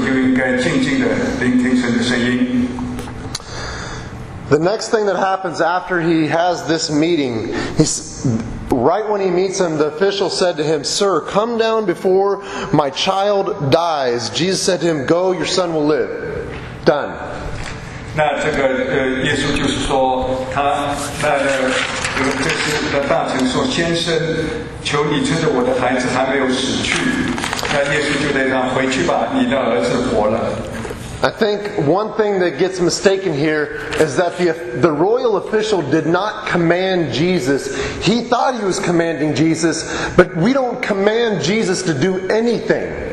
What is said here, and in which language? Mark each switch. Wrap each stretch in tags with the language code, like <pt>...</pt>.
<zh>我们通常在祷告的时候，我们就会要求说：“神啊，你给我做这个，做那个。”要我们要求这个，要求那个。我们没有注意到，我们祷告的时候，神与我们同在。我们有时候就应该，有时候就应该静静的聆听神的声音。</zh> <en>The next thing that happens after he has this meeting, he's, right when he meets him, the official said to him, Sir, come down before my child dies. Jesus said to him, Go, your son will live. Done.</en> <zh>那这个耶稣就是说，他那个就是那大臣说，先生，求你趁着我的孩子还没有死去，那耶稣就对他回去吧，你的儿子活了。</zh> <en>I think one thing that gets mistaken here is that the royal official did not command Jesus. He thought he was commanding Jesus, but we don't command Jesus to do anything.</en>